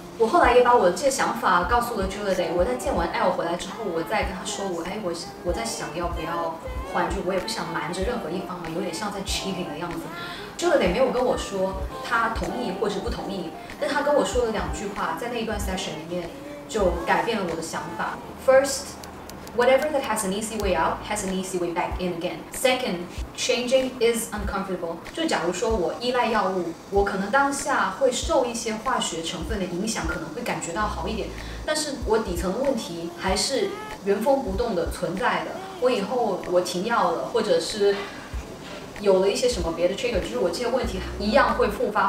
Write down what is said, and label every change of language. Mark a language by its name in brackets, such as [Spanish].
[Chinese] 我后来也把我的这个想法告诉了 Julie。我在见完 L 回来之后，我再跟他说我在想要不要换，就我也不想瞒着任何一方，有点像在 cheating 的样子。 Julie 没有跟我说他同意或是不同意，但他跟我说了两句话，在那一段 session 里面就改变了我的想法。 [English] First, whatever that has an easy way out has an easy way back in again. Second, changing is uncomfortable. [Chinese] 就假如说我依赖药物，我可能当下会受一些化学成分的影响，可能会感觉到好一点，但是我底层的问题还是原封不动的存在的。我以后我停药了，或者是有了一些什么别的 trigger， 就是我这些问题一样会复发。